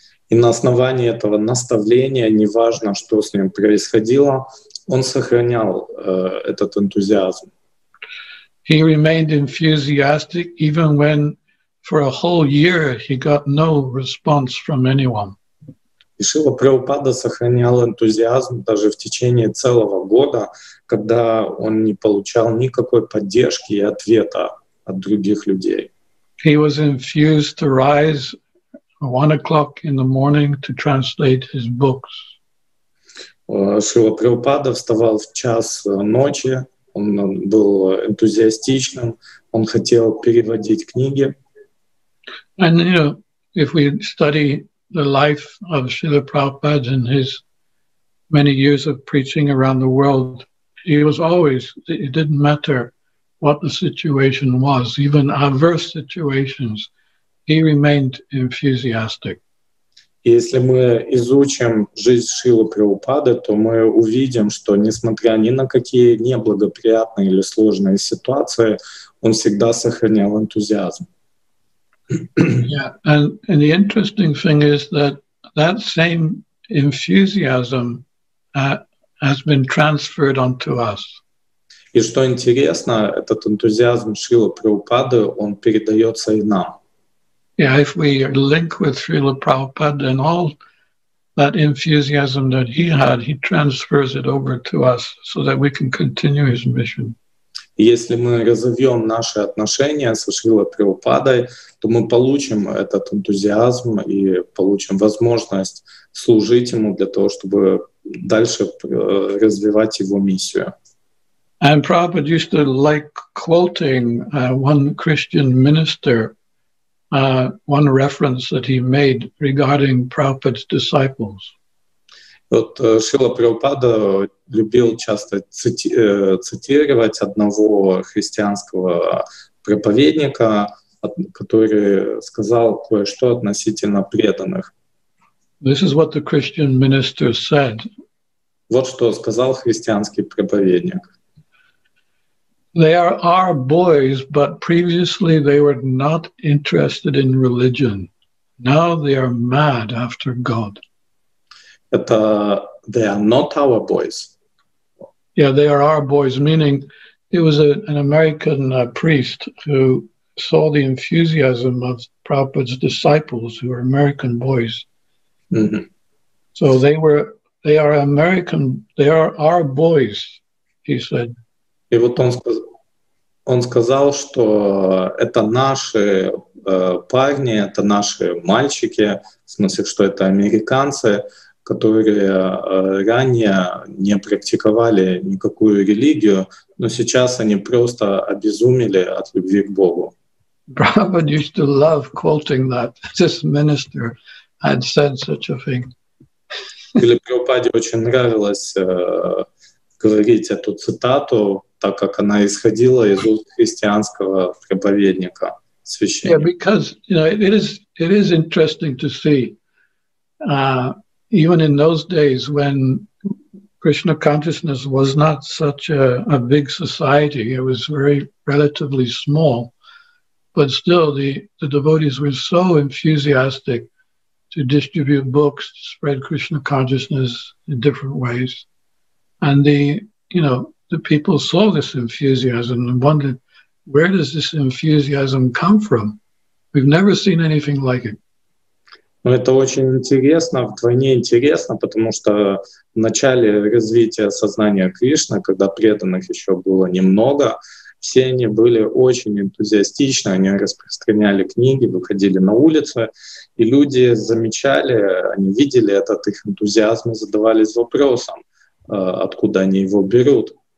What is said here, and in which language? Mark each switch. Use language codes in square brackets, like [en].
[ru] И на основании этого наставления, неважно, что с ним происходило, он сохранял этот энтузиазм. [en] He remained enthusiastic even when for a whole year he got no response from anyone. [ru] И Шрила Прабхупада сохранял энтузиазм даже в течение целого года, когда он не получал никакой поддержки и ответа от других людей. [en] He was enthused to rise 1 o'clock in the morning to translate his books. [ru] Шрила Прабхупада вставал в час ночи, он был энтузиастичным, он хотел переводить книги. [en] And, you know, if we study the life of Srila Prabhupada and his many years of preaching around the world, he was always, it didn't matter what the situation was, even adverse situations, he remained enthusiastic. [ru] Если мы изучим жизнь Шрилы Прабхупады, то мы увидим, что несмотря ни на какие неблагоприятные или сложные ситуации, он всегда сохранял энтузиазм. [en] Yeah, and the interesting thing is that that same enthusiasm has been transferred onto us. [ru] И что интересно, этот энтузиазм Шрилы Прабхупады, он передается и нам. [en] Yeah, if we link with Srila Prabhupada, then all that enthusiasm that he had, he transfers it over to us so that we can continue his mission. [ru] Если мы развьем наши отношения со Шрилой Прабхупадой, то мы получим этот энтузиазм и получим возможность служить ему для того, чтобы дальше развивать его миссию. [en] And Prabhupada used to like quoting one Christian minister, one reference that he made regarding Prabhupada's disciples. [ru] Вот Шрила Прабхупада любил часто цитировать одного христианского проповедника, который сказал кое-что относительно преданных. [en] This is what the Christian minister said. [ru] Вот что сказал христианский проповедник. [en] They are our boys, but previously they were not interested in religion. Now they are mad after God. [ru] Это [en] they are not our boys. Yeah, they are our boys, meaning it was an American priest who saw the enthusiasm of Prabhupada's disciples who were American boys. Mm-hmm. So they are American, they are our boys, he said. [ru] И вот он сказал, что это наши парни, это наши мальчики, в смысле, что это американцы, которые ранее не практиковали никакую религию, но сейчас они просто обезумели от любви к Богу. [en] Prabhupada used to love quoting that. This minister had said such a thing. [ru] Или Прабхупаде очень нравилось говорить эту цитату, так как она исходила из уст христианского проповедника, священника. [en] Yeah, because, you know, it is interesting to see even in those days when Krishna consciousness was not such a big society, it was very relatively small, but still the devotees were so enthusiastic to distribute books, to spread Krishna consciousness in different ways. And the people saw this enthusiasm and wondered, where does this enthusiasm come from? We've never seen anything like it. [ru] Но это очень интересно, вдвойне интересно, потому что в начале развития сознания Кришны, когда преданных еще было немного, все они были очень энтузиастичны, они распространяли книги, выходили на улицы, и люди замечали, они видели этот их энтузиазм и задавались вопросом, откуда они его берут.